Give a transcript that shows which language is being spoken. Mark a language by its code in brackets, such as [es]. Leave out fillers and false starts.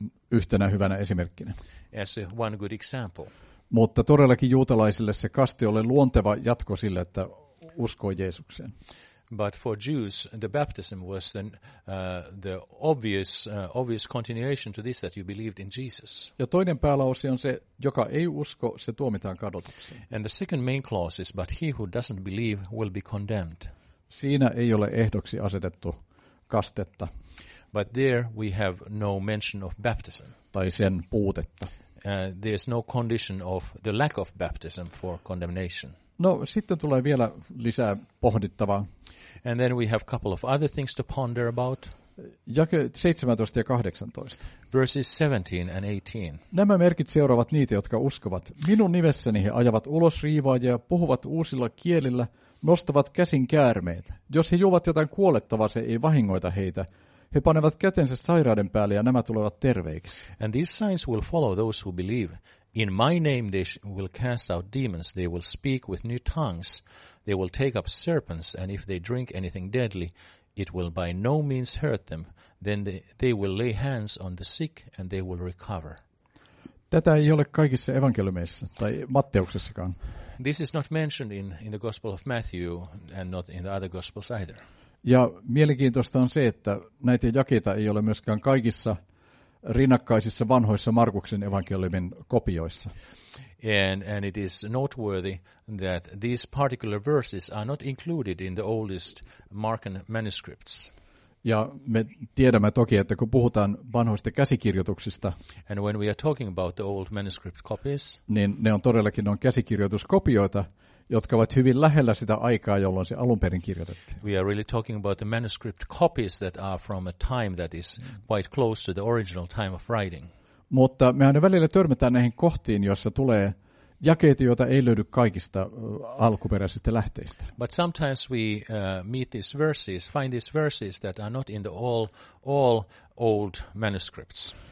[fi] Yhtenä hyvänä esimerkkinä. [en] As one good example. [fi] Mutta todellakin juutalaisille se kaste oli luonteva jatko sille, että uskoi Jeesukseen. [en] But for Jews, the baptism was the obvious continuation to this, that you believed in Jesus. [fi] Ja toinen päälause on se, joka ei usko, se tuomitaan kadotukseen. [en] And the second main clause is, but he who doesn't believe will be condemned. [fi] Siinä ei ole ehdoksi asetettu kastetta. [en] But there we have no mention of baptism. [fi] Tai sen puutetta. [en] There is no condition of the lack of baptism for condemnation. [fi] No, sitten tulee vielä lisää pohdittavaa. [en] And then we have a couple of other things to ponder about. [fi] Jake 17 ja 18. [en] Verses 17 and 18. [fi] Nämä merkit seuraavat niitä, jotka uskovat. Minun nimessäni he ajavat ulos riivaajia, puhuvat uusilla kielillä, nostavat käsin käärmeitä. Jos he juovat jotain kuolettavaa, se ei vahingoita heitä. He panevat kätensä sairauden päälle ja nämä tulevat terveiksi. [en] And these signs will follow those who believe. In my name they will cast out demons. They will speak with new tongues. They will take up serpents, and if they drink anything deadly, it will by no means hurt them. Then they will lay hands on the sick and they will recover. [fi] Tätä ei ole kaikissa evankeliumeissa tai Matteuksessakaan. [en] This is not mentioned in the Gospel of Matthew and not in the other Gospels either. [fi] Ja mielenkiintoista on se, että näitä jakeita ei ole myöskään kaikissa rinnakkaisissa vanhoissa Markuksen evankeliumin kopioissa. [en] And it is noteworthy that these particular verses are not included in the oldest Markan manuscripts. [fi] Ja me tiedämme toki, että kun puhutaan vanhoista käsikirjoituksista, [en] and when we are talking about the old manuscript copies, [fi] niin ne on todellakin on käsikirjoituskopioita, jotka ovat hyvin lähellä sitä aikaa, jolloin se alun perin kirjoitettiin. [en] We are really talking about the manuscript copies that are from a time that is quite close to the original time of writing. [fi] Mutta me aina välillä törmätään näihin kohtiin, joissa tulee jakeita, joita ei löydy kaikista alkuperäisistä lähteistä. [en] But sometimes we meet these verses, find these verses that are not in the all old manuscripts.